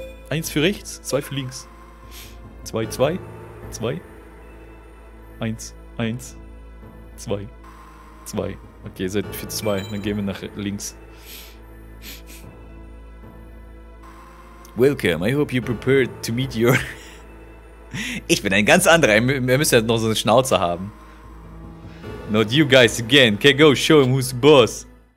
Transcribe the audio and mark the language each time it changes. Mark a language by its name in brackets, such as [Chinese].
[German] Eins für rechts, zwei für links. Zwei, zwei, zwei. Eins, eins, zwei, zwei. Okay, seid für zwei, dann gehen wir nach links. [English] Welcome, I hope you're prepared to meet your... [German] Ich bin ein ganz anderer, er müsste ja noch so eine Schnauze haben. [English] Not you guys again, okay, go, show him who's the boss.